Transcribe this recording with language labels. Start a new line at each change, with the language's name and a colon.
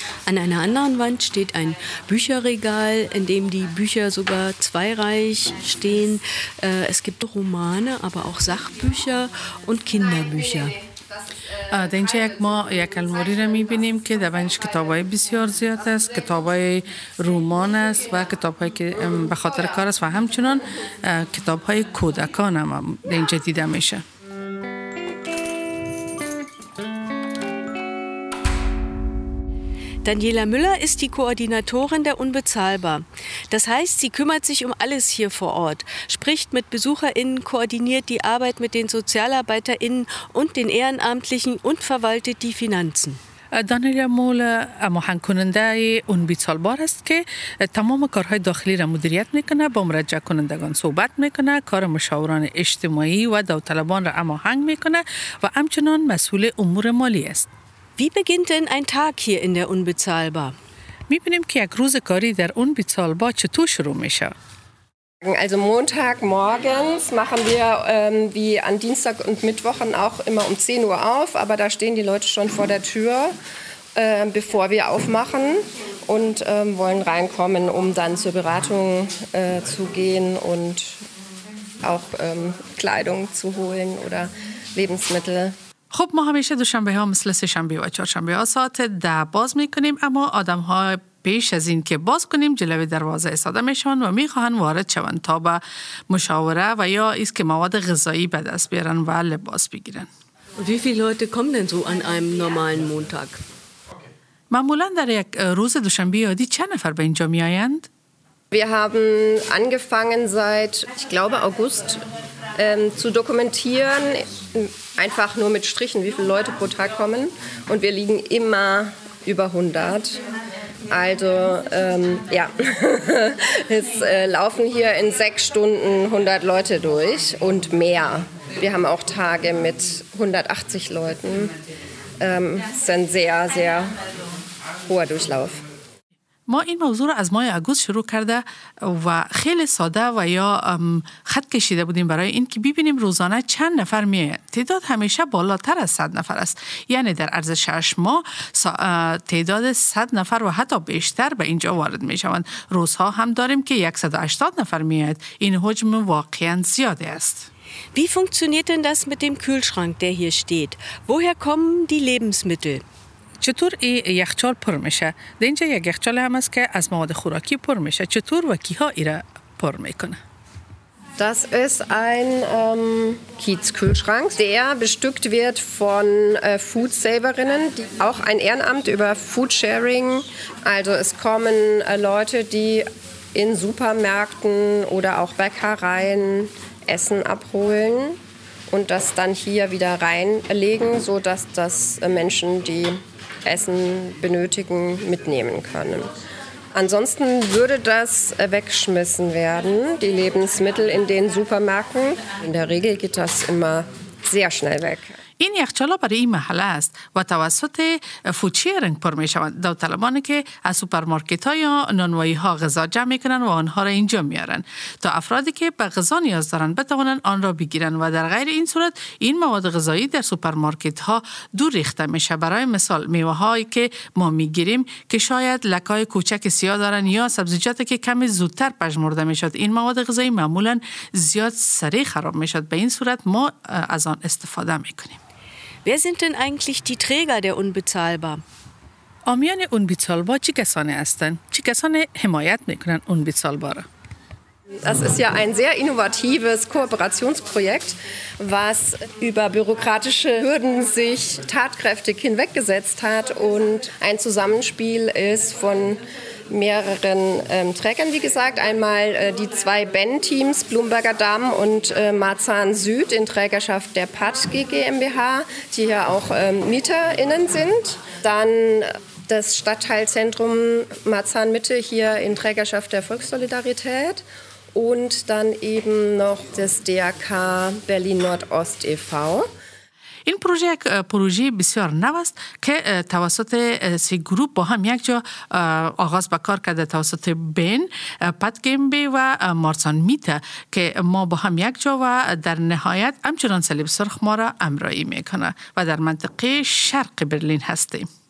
German: An einer anderen Wand steht ein Bücherregal, in dem die Bücher sogar zweireihig stehen. Es gibt Romane, aber auch Sachbücher und Kinderbücher.
Persian: دنج یک ما یک الماری را میبینیم که در بینش کتاب های بسیار زیاد است، کتاب های رومان است و کتاب هایی که به خاطر کار است و همچنان کتاب های کودکان هم دنج دیده میشه.
German: Daniela Müller ist die Koordinatorin der Unbezahlbar. Das heißt, sie kümmert sich um alles hier vor Ort, spricht mit BesucherInnen, koordiniert die Arbeit mit den SozialarbeiterInnen und den Ehrenamtlichen und verwaltet die Finanzen.
Persian: دانیلا مولا مهم کننده اون بیتسالبار است که تمام کارهای داخلی را مدیریت میکنه، با مرجع کنندگان صحبت میکنه، کار مشاوران اجتماعی و داوطلبان را هماهنگ میکنه و همچنان مسئول امور مالی است.
German: Wie beginnt denn ein Tag hier in der Unbezahlbar? Wir beginnen, dass ein großer Kari der Unbezahlbar zu tun ist. Also Montag morgens machen wir wie an Dienstag und Mittwochen auch immer um 10 Uhr auf, aber da stehen die Leute schon vor der Tür, bevor wir aufmachen und wollen reinkommen, um dann zur Beratung zu gehen und auch Kleidung zu holen oder Lebensmittel.
Persian: خب ما همیشه دوشنبه ها مثل سه شنبه و چهار شنبه ها ساعت 10 باز میکنیم، اما آدم ها پیش از این که باز کنیم جلوی دروازه ایستاده میشوند و میخواهند وارد شوند تا به مشاوره و یا ایست که مواد غذایی به دست بیارن و لباس بگیرن.
German: Wie viele Leute kommen denn so an einem normalen Montag?
Persian: معمولا در یک روز دوشنبه عادی چند نفر به اینجا میآیند؟
German: Wir haben angefangen seit, ich glaube, August zu dokumentieren, einfach nur mit Strichen, wie viele Leute pro Tag kommen. Und wir liegen immer über 100. Also ja, es laufen hier in 6 Stunden 100 Leute durch und mehr. Wir haben auch Tage mit 180 Leuten. Es ist ein sehr, sehr hoher Durchlauf.
Persian: ما این موضوع رو از ماه آگوست شروع کرده و خیلی ساده و یا خط کشیده بودیم برای این که ببینیم روزانه چند نفر میاد. تعداد همیشه بالاتر از 100 نفر است. یعنی در عرض 6 ماه تعداد 100 نفر و حتی بیشتر به اینجا وارد میشوند. روزها هم داریم که 180 نفر میاد. این حجم واقعا زیاد است.
German: Wie funktioniert denn das mit dem Kühlschrank, der hier steht? Woher kommen die Lebensmittel?
Persian: چطور این یخچال پر میشه؟ در اینجا یک یخچال هم است که از مواد خوراکی پر میشه. چطور و کیها ای را پر میکنه؟
German: Das ist ein Kiez-Kühlschrank, der bestückt wird von Foodsaverinnen, die auch ein Ehrenamt über Foodsharing. Also es kommen Leute, die in Supermärkten oder auch Bäckereien Essen abholen und das dann hier wieder reinlegen, sodass das Menschen, die Essen benötigen, mitnehmen können. Ansonsten würde das weggeschmissen werden, die Lebensmittel in den Supermärkten. In der Regel geht das immer sehr schnell weg.
Persian: این یخچال ها برای این محله است و توسط فودشیرینگ پر می شوند. داوطلبانی که از سوپرمارکت ها یا نانوایی ها غذا جمع می کنند و آنها را اینجا می آرند. تا افرادی که به غذا نیاز دارند بتوانند آن را بگیرند و در غیر این صورت این مواد غذایی در سوپرمارکت ها دور ریخته می شود. برای مثال میوه هایی که ما می گیریم که شاید لکای کوچک سیاه دارند یا سبزیجاتی که کمی زودتر پژمرده می شود. این مواد غذایی معمولا زیاد سریع خراب می شود. به این صورت ما از آن استفاده می کنیم.
German: Wer sind denn eigentlich die Träger der Unbezahlbar?
Persian: آمیان Unbezahlbar چی کسانی هستند؟ چی کسانی حمایت میکنند Unbezahlbar؟
German: Das ist ja ein sehr innovatives Kooperationsprojekt, was über bürokratische Hürden sich tatkräftig hinweggesetzt hat und ein Zusammenspiel ist von mehreren Trägern, wie gesagt. Einmal die 2 Ben-Teams, Blumberger Damm und Marzahn Süd in Trägerschaft der PATG GmbH, die ja auch MieterInnen sind. Dann das Stadtteilzentrum Marzahn Mitte hier in Trägerschaft der Volkssolidarität. Und dann eben noch das DRK Berlin Nordost e.V.
Persian: این پروژه یک پروژه بسیار نو است که توسط 3 گروه با هم یک جا آغاز به کار کرده، توسط بین پتگیمبی و مارسان میتا، که ما با هم یک جا و در نهایت همچنان صلیب سرخ ما را امرایی میکنه و در منطقه شرق برلین هستیم.